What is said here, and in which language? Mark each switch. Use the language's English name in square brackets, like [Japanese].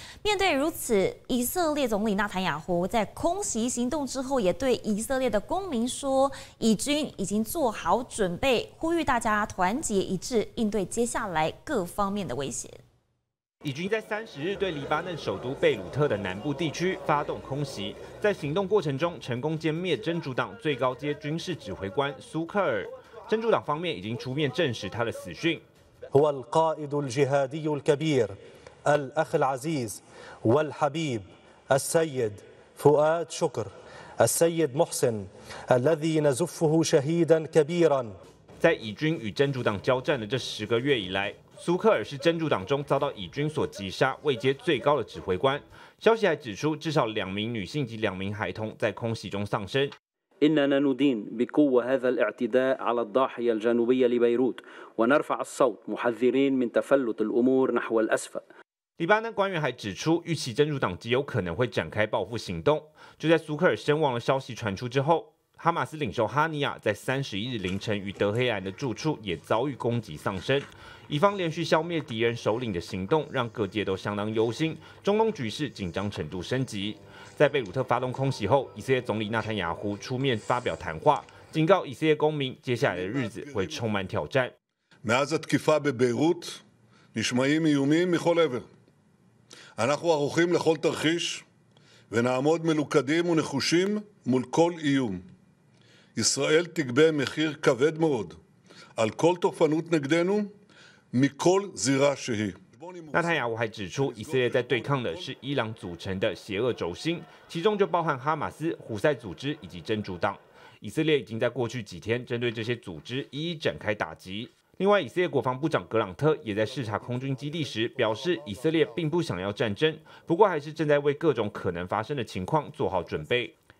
[Chinese] 面对如此，以色列总理纳坦雅胡在空袭行动之后，也对以色列的公民说，以军已经做好准备，呼吁大家团结一致，应对接下来各方面的威胁。以军在30日对黎巴嫩首都贝鲁特的南部地区发动空袭，在行动过程中成功歼灭真主党最高阶军事指挥官苏克尔。真主党方面已经出面证实他的死讯。 [Arabic] هو القائد الجهادي الكبير الأخ العزيز والحبيب السيد فؤاد شكر السيد محسن الذي نزفه شهيدا كبيرا。 [Chinese] 在以军与真主党交战的这10个月以来，苏克尔是真主党中遭到以军所击杀位阶最高的指挥官。消息还指出，至少2名女性及2名孩童在空袭中丧生。 [Arabic] إننا ندين بقوة هذا الاعتداء على الضاحية الجنوبية لبيروت ونرفع الصوت محذرين من تفلت الأمور نحو الأسفل。 [Chinese] 黎巴嫩官员还指出，预期真主党极有可能会展开报复行动。就在苏克尔身亡的消息传出之后，哈马斯领袖哈尼亚在31日凌晨于德黑兰的住处也遭遇攻击丧生。以方连续消灭敌人首领的行动让各界都相当忧心，中东局势紧张程度升级。在贝鲁特发动空袭后，以色列总理纳坦雅胡出面发表谈话，警告以色列公民接下来的日子会充满挑战。 [Hebrew] מאז התקיפה בביירות נשמעים איומים מכל עבר. אנחנו ערוכים לכל תרחיש ונעמוד מלוכדים ונחושים מול כל איום. ישראל תגבה מחיר כבד מאוד על כל תוקפנות נגדנו מכל זירה שהיא. [Chinese] 纳坦雅胡还指出，以色列在对抗的是伊朗组成的邪恶轴心，其中就包含哈马斯、胡塞组织以及真主党。以色列已经在过去几天针对这些组织一一展开打击。另外，以色列国防部长格朗特也在视察空军基地时表示，以色列并不想要战争，不过还是正在为各种可能发生的情况做好准备。